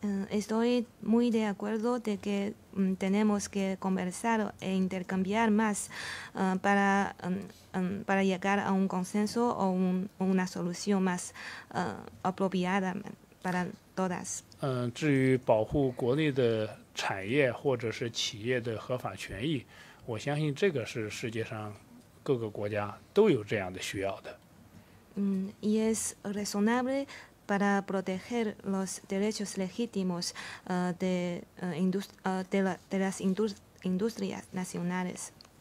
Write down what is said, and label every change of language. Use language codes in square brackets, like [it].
[es] Estoy muy de acuerdo de que tenemos que conversar e intercambiar más para llegar a un consenso o una solución más apropiada para todas. [zh] 至于保护国内的产业或者是企业的合法权益，我相信这个是世界上各个国家都有这样的需要的。 [es] Y es razonable para proteger los derechos legítimos de las industrias nacionales.